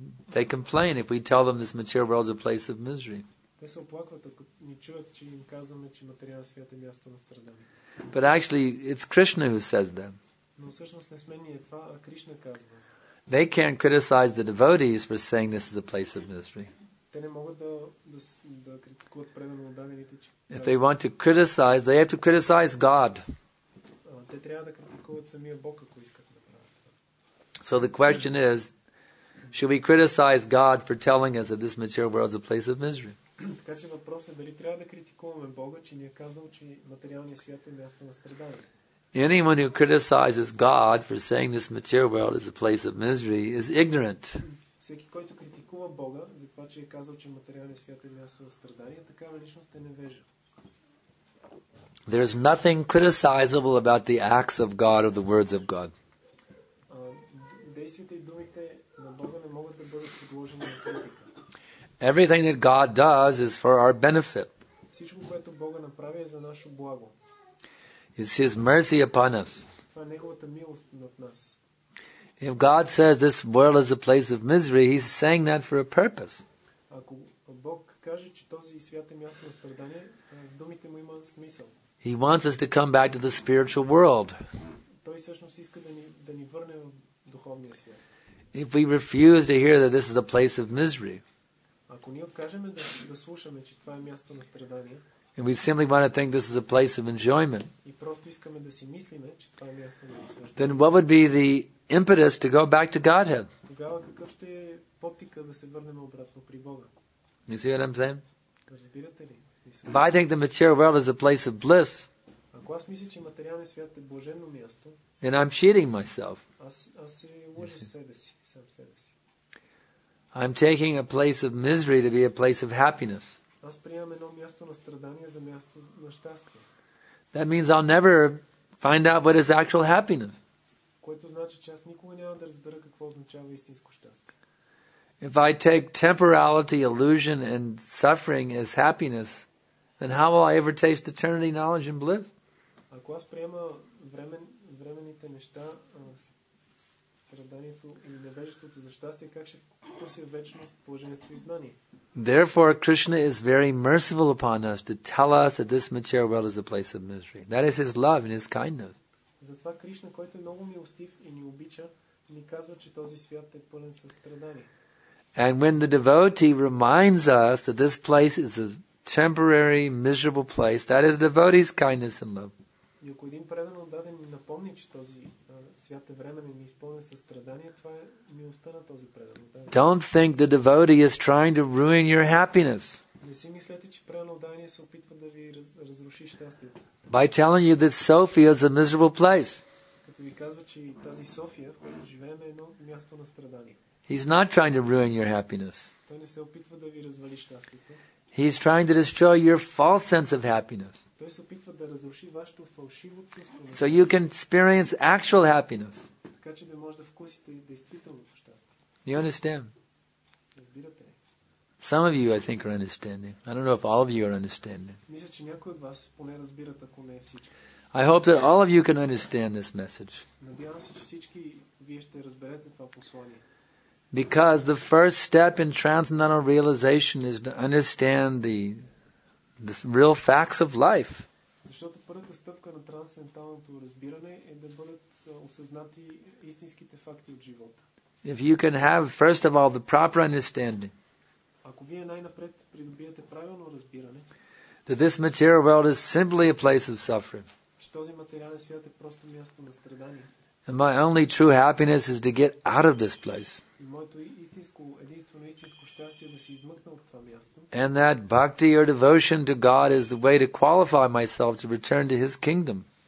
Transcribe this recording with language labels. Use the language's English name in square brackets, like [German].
[English] They complain if we tell them this material world is a place of misery. [Bulgarian] Те се оплакват, ако ни чуят, че им казваме, че материалният свят е място на страдание. [English] But actually, it's Krishna who says that. [Bulgarian] Но всъщност не сме ние това, а Кришна казва. [English] They can't criticize the devotees for saying this is a place of misery. [Bulgarian] Те не могат да критикуват предано отдадените, че... [English] If they want to criticize, they have to criticize God. [Bulgarian] Те трябва да критикуват самия Бог, ако искат да правят това. [English] So the question is, should we criticize God for telling us that this material world is a place of misery? [Bulgarian] Така че въпрос е, дали трябва да критикуваме Бога, че ни е казал, че материалният свят е място на страдание? [English] Anyone who criticizes God for saying this material world is a place of misery is ignorant. [Bulgarian] Всеки, който критикува Бога за това, че е казал, че материалният свят е място на страдание, такава личност е невежа. [English] There is nothing criticizable about the acts of God or the words of God. [Bulgarian] Действията и думите на Бога не могат да бъдат подложени на критика. [English] Everything that God does is for our benefit. [Bulgarian] Всичко, което Бога направи, е за наше благо. [English] It's His mercy upon us. [Bulgarian] Това е Неговата милост над нас. [English] If God says this world is a place of misery, He's saying that for a purpose. [Bulgarian] Ако Бог каже, че този свят е място на страдание, думите му имат смисъл. [English] He wants us to come back to the spiritual world. [Bulgarian] Той всъщност иска да ни върне в духовния свят. [English] If we refuse to hear that this is a place of misery, [Bulgarian] ако ние откажем да слушаме, че това е място на страдание, [English] and we simply want to think this is a place of enjoyment, [Bulgarian] и просто искаме да си мислиме, че това е място на наслаждение, [English] then what would be the impetus to go back to Godhead? [Bulgarian] Тогава какъв ще е потика да се върнем обратно при Бога? [English] You see what I'm saying? [Bulgarian] Разбирате ли? [English] If I think the material world is a place of bliss, [Bulgarian] ако аз мисля, че материалният свят е блаженно място, [English] then I'm cheating myself. [Bulgarian] Аз се лъжа себе си, сам себе си. [English] I'm taking a place of misery to be a place of happiness. [Bulgarian] Аз приемам едно място на страдание за място на щастие. [English] That means I'll never find out what is actual happiness. [Bulgarian] Което значи, че аз никога няма да разбера какво означава истинско щастие. [English] If I take temporality, illusion and suffering as happiness, then how will I ever taste eternity, knowledge and bliss? [Bulgarian] Ако аз приема времените неща, страданието и невежеството за щастие, как ще вкусим вечност, блаженство и знание? [English] Therefore, Krishna is very merciful upon us to tell us that this material world is a place of misery. That is His love and His kindness. [Bulgarian] Затова Кришна, който е много милостив и ни обича, ни казва, че този свят е пълен със страдание. [English] And when the devotee reminds us that this place is a temporary, miserable place, that is the devotee's kindness and love. [Bulgarian] И ако един предан отдаден ни напомни, че този свят е временен и ни изпълнен със страдание, това е милостта на този предан отдаден. [English] Don't think the devotee is trying to ruin your happiness. [Bulgarian] Не си мислете, че предан отдаден се опитва да ви разруши щастието. [English] By telling you that Sophia is a miserable place. [Bulgarian] Като ви казва, че тази София, в която живеем, е едно място на страдание. [English] He's not trying to ruin your happiness. [Bulgarian] Той не се опитва да ви развали щастието. [English] He's trying to destroy your false sense of happiness. [Bulgarian] Той се опитва да разруши вашето фалшиво чувство. [English] So you can experience actual happiness. [Bulgarian] Така че да може да вкусите действителното щастие. [English] You understand? [Bulgarian] Разбирате ли? [English] Some of you, I think, are understanding. I don't know if all of you are understanding. [Bulgarian] Мисля, че някой от вас поне разбират, ако не всички. [English] I hope that all of you can understand this message. [Bulgarian] Надявам се, че всички вие ще разберете това послание. [English] Because the first step in transcendental realization is to understand the real facts of life. [Bulgarian] Защото първата стъпка на трансценденталното разбиране е да бъдат осъзнати истинските факти от живота. [English] If you can have first of all the proper understanding, [Bulgarian] ако вие най-напред придобиете правилно разбиране, [English] that this material world is simply a place of suffering, [Bulgarian] че този материален свят е просто място на страдание, [English] and my only true happiness is to get out of this place, [Bulgarian] моето единствено щастие да се измъкна от това място, [English] and that bhakti or devotion to God is the way to qualify myself to return to His kingdom,